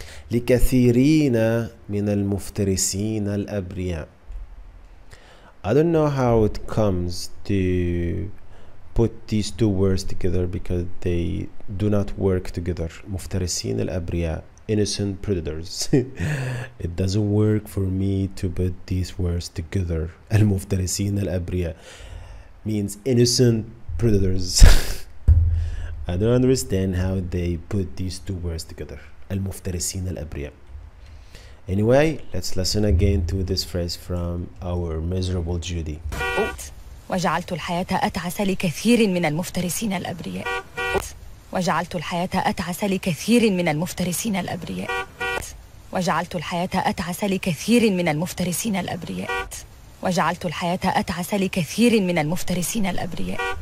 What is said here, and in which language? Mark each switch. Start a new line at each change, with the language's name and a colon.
Arabic: لكثيرين من المفترسين الأبرياء.
English: I don't know how it comes to put these two words together because they do not work together.
Arabic: مفترسين الأبرياء,
English: innocent predators. It doesn't work for me to put these words together.
Arabic: المفترسين الأبرياء
English: means innocent predators. I don't understand how they put these two words together.
Arabic: المفترسين الأبرياء.
English: Anyway, let's listen again to this phrase from our miserable Judy.
Arabic: وجعلت الحياة أتعس لكثير من المفترسين الأبرياء. وجعلت الحياة أتعس لكثير من المفترسين الأبرياء. وجعلت الحياة أتعس لكثير من المفترسين الأبرياء. وجعلت الحياة أتعس لكثير من المفترسين الأبرياء.